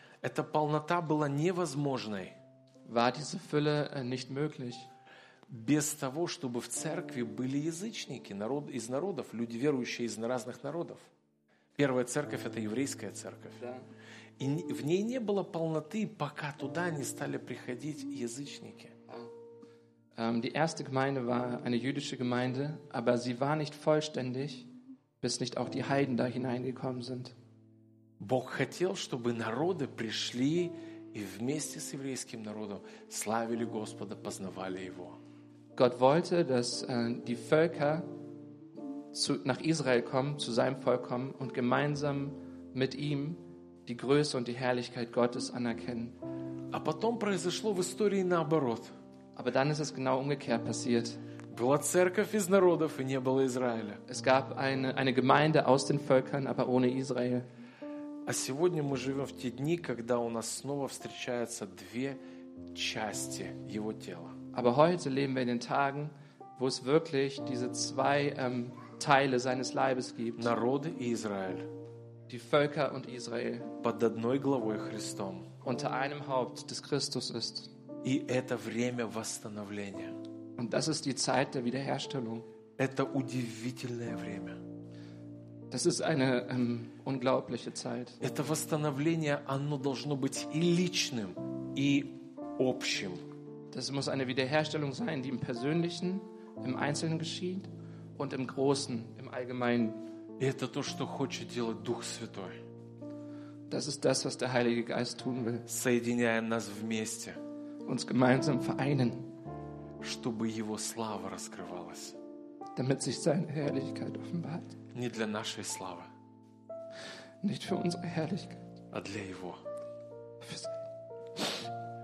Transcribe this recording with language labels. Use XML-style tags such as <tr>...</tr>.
<ru>Эта полнота была невозможной.</ru> <de>War diese Fülle nicht möglich.</de> <ru>Без того, чтобы в церкви были язычники, народ из народов, люди верующие из разных народов. Первая церковь – это еврейская церковь. Да. И в ней не было полноты, пока туда не стали приходить язычники.</ru> <de>Die erste Gemeinde war eine jüdische Gemeinde, aber sie war nicht vollständig, bis nicht auch die Heiden da hineingekommen sind.</de> <ru>Бог хотел, чтобы народы пришли и вместе с еврейским народом славили Господа, познавали Его.</ru> <de>Gott wollte, dass die Völker nach Israel kommen, zu seinem Volk kommen und gemeinsam mit ihm die Größe und die Herrlichkeit Gottes anerkennen.</de> <ru>А потом произошло в истории наоборот.</ru> <de>Aber dann ist es genau umgekehrt passiert.</de> <ru>Была церковь из народов и не было Израиля.</ru> <de>Es gab eine Gemeinde aus den Völkern, aber ohne Israel.</de> <ru>А сегодня мы живем в те дни, когда у нас снова встречаются две части его тела.</ru> <de>Aber heute leben wir in den Tagen, wo es wirklich diese zwei Teile seines Leibes gibt.</de> <ru>Народы и Израиль.</ru> <de>Die Völker und Israel.</de> <ru>Под одной главой Христом.</ru> <de>Unter einem Haupt des Christus ist.</de> <ru>И это время восстановления.</ru> <de>Und das ist die Zeit der Wiederherstellung.</de> <ru>Это удивительное время.</ru> <de>Das ist eine unglaubliche Zeit.</de> <ru>Это восстановление, оно должно быть и личным, и общим.</ru> <de>Das muss eine Wiederherstellung sein, die im Persönlichen, im Einzelnen geschieht und im Großen, im Allgemeinen.</de> <ru>И это то, что хочет делать Дух Святой.</ru> <de>Das ist das, was der Heilige Geist tun will.</de> <ru>Соединяя нас вместе.</ru> <de>Uns gemeinsam vereinen.</de> <ru>Чтобы Его слава раскрывалась.</ru> <de>Damit sich seine Herrlichkeit offenbart.</de> <ru>Не для нашей славы.</ru> <de>Nicht für unsere Herrlichkeit.</de> <ru>А для Его.</ru> <de>Für seine Herrlichkeit.</de>